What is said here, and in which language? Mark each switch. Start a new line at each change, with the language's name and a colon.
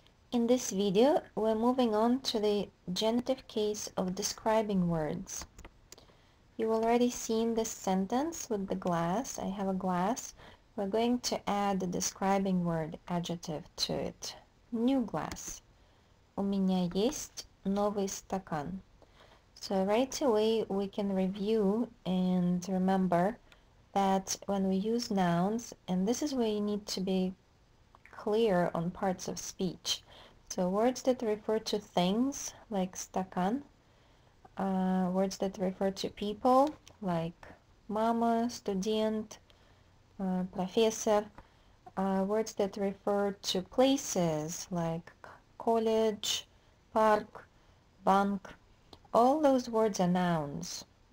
English: In this video, we're moving on to the genitive case of describing words. You've already seen this sentence with the glass. I have a glass. We're going to add the describing word adjective to it. New glass.
Russian: У меня есть новый стакан.
English: So right away, we can review and remember that when we use nouns, and this is where you need to be clear on parts of speech. So words that refer to things, like стакан, words that refer to people, like мама, студент, профессор, words that refer to places, like college, park, банк, all those words are nouns.